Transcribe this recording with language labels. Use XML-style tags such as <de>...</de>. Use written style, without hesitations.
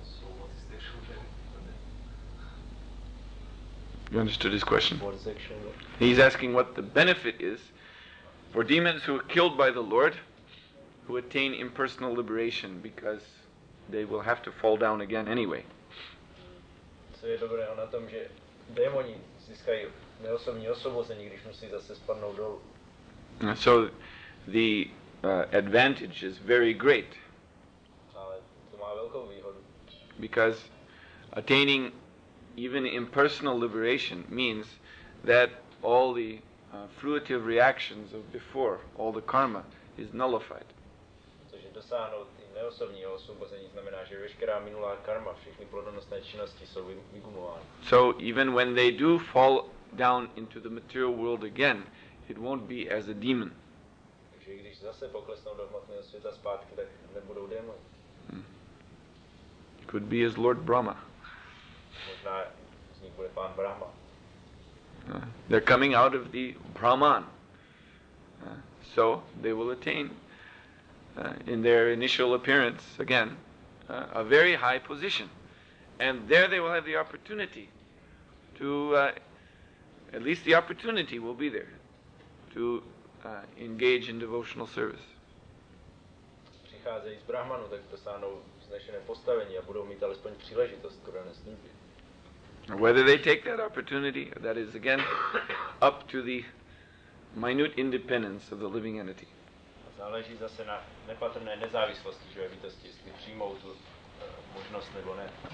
<en>So what is the actual benefit of that? You understood his question? What is the actual benefit? He's asking what the benefit is for demons who are killed by the Lord, who attain impersonal liberation, because they will have to fall down again anyway.</en> <cs>Co je dobré na tom, že démoni získají neosobní osvobození, když musí zase spadnout dolů.</cs> <en>So the advantage is very great.</en> <cs>Ale to má velkou výhodu.</cs> <en>Because attaining even impersonal liberation means that all the fruitive reactions of before, all the karma, is nullified.</en> <cs>Protože dosáhnout i neosobního osvobození znamená, že veškerá minulá karma, všechny plodonosné činnosti jsou vygumovány.</cs> <en>So even when they do fall down into the material world again, it won't be as a demon.</en> <cs>Takže když zase poklesnou do hmotného světa zpátky, tak nebudou démoni.</cs> <en>It could be as Lord Brahma.</en> <cs>Možná z nich bude pán Brahma.</cs> <en>They're coming out of the Brahman. So they will attain in their initial appearance again a very high position. And there they will have the opportunity to at least the opportunity will be there to engage in devotional service.</en> <cs>Přicházejí z Brahmanu, tak dosáhnou vznešené postavení a budou mít alespoň příležitost k rané službě.</cs> <en>Whether they take that opportunity, that is again up to the minute independence of the living entity.</en> <cs>Záleží zase na nepatrné nezávislosti živé bytosti, jestli přijmou tu možnost nebo ne.</cs>